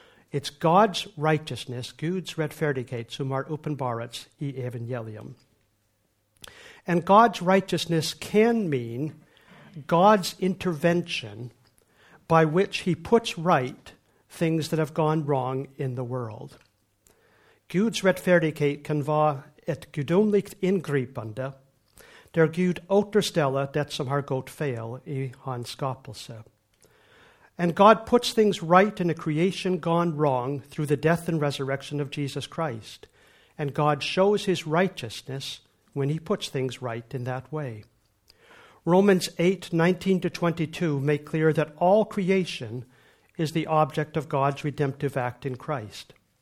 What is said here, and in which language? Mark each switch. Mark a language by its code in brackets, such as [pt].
[en] It's God's righteousness, [sv] Guds retfærdighet, som åpenbarats I evangelium. [en] And God's righteousness can mean God's intervention by which he puts right things that have gone wrong in the world. [sv] Guds retfærdighet kan vara ett gudomligt ingripande där Gud återställer det som har gått fel I hans skapelse. [en] And God puts things right in a creation gone wrong through the death and resurrection of Jesus Christ. And God shows his righteousness when he puts things right in that way. Romans 8:19 to 22 make clear that all creation is the object of God's redemptive act in Christ.